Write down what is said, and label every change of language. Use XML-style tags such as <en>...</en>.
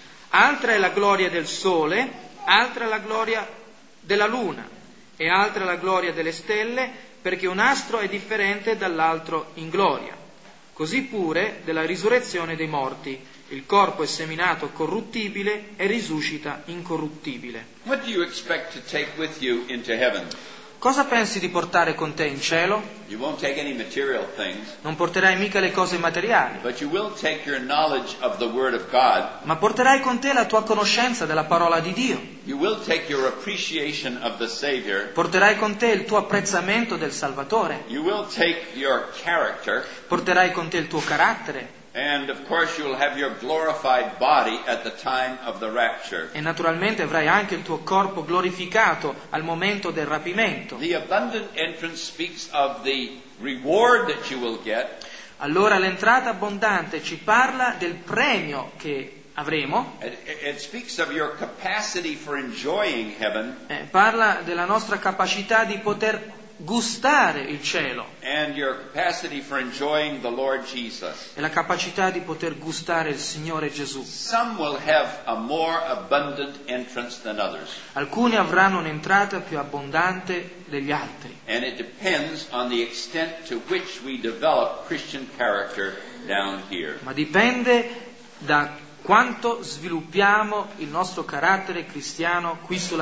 <it>Altra è la gloria del sole, altra è la gloria della luna, e altra è la gloria delle stelle, perché un astro è differente dall'altro in gloria. Così pure della risurrezione dei morti. Il corpo è seminato corruttibile e risuscita incorruttibile.</it> <en>What do you expect to take with you into heaven?</en> <it>Cosa pensi di portare con te in cielo?</it> <en>You won't take any material things,</en> <it>non porterai mica le cose materiali.</it> <en>But you will take your knowledge of the word of God,</en> <it>ma porterai con te la tua conoscenza della parola di Dio.</it> <en>You will take your appreciation of the Savior,</en> <it>porterai con te il tuo apprezzamento del Salvatore.</it> <en>You will take your character,</en> <it>porterai con te il tuo carattere.</it> <en>And of course you'll have your glorified body at the time of the rapture.</en> <it>E naturalmente avrai anche il tuo corpo glorificato al momento del rapimento.</it> <en>The abundant entrance speaks of the reward that you will get.</en> <it>Allora l'entrata abbondante ci parla del premio che avremo.</it> <en>It speaks of your capacity for enjoying heaven.</en> <it>Parla della nostra capacità di poter gustare il cielo.</it> <en>And your capacity for enjoying the Lord Jesus.</en> <it>E la capacità di poter gustare il Signore Gesù.</it> <en>Some will have a more abundant entrance than others.</en> <it>Alcuni avranno un'entrata più abbondante degli altri.</it> <en>And it depends on the extent to which we develop Christian character down here.</en> <it>Ma dipende da quanto sviluppiamo il nostro carattere cristiano qui sulla terra.</it>